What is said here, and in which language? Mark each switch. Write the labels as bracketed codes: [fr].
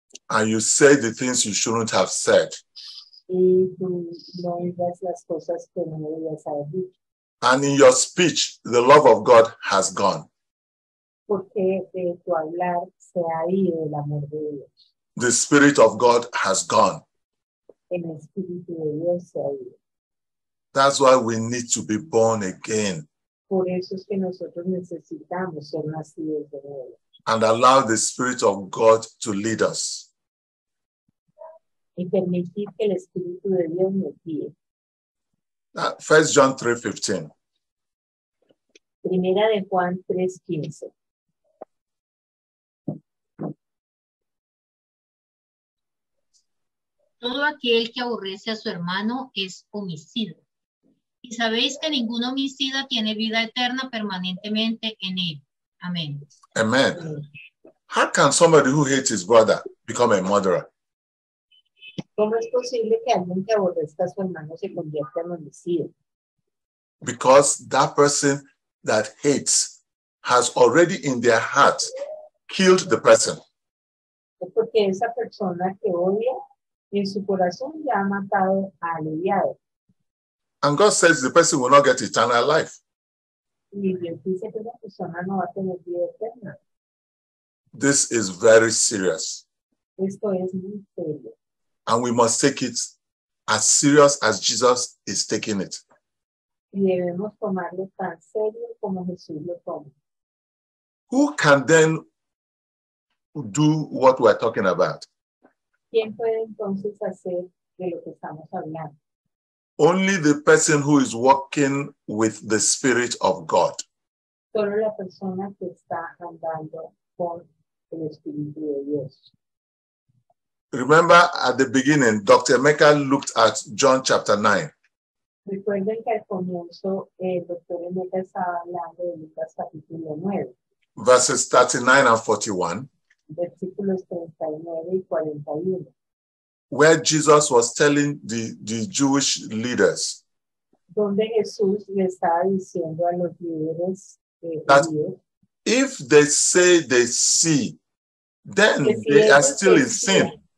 [en] And you say the things you shouldn't have said. And in your speech, the love of God has gone. [es] Porque de tu hablar se ha ido el amor de Dios. [en] The Spirit of God has gone. [es] El Espíritu de Dios se ha ido. [en] That's why we need to be born again. [es] Por eso es que nosotros necesitamos ser nacidos de nuevo. [en] And allow the Spirit of God to lead us. [es] Y permitir que el Espíritu de Dios nos guíe. [en] 1 John 3:15. [es] Primera de Juan 3:15. Todo aquel que aborrece a su hermano es homicida. Y sabéis que ningún homicida tiene vida eterna permanentemente en él. Amén. [en] Amen. How can somebody who hates his brother become a murderer? [es] ¿Cómo es posible que alguien que aborrezca a su hermano se convierta en homicida? [en] Because that person that hates has already in their heart killed the person. [es] Es porque esa persona que odia en su corazón ya ha matado al odiado. [en] And God says the person will not get eternal life. [es] Y Dios dice que la persona no va a tener vida eterna. [en] This is very serious. [es] Esto es muy serio. [en] And we must take it as serious as Jesus is taking it. [es] Y debemos tomarlo tan serio como Jesús lo toma. [en] Who can then do what we are talking about? [es] ¿Quién puede entonces hacer de lo que estamos hablando? [en] Only the person who is walking with the Spirit of God. [es] Solo la persona que está andando con el Espíritu de Dios. [en] Remember at the beginning, Dr. Emeka looked at John chapter 9. [es] Recuerden que al comienzo el Dr. Emeka estaba hablando de Lucas capítulo 9. [en] Verses 39 and 41. [es] Versículos 39 y 41. [en] Where Jesus was telling the Jewish leaders. [es] Donde Jesús le estaba diciendo a los líderes [en] that if they say they see, then they are still in sin.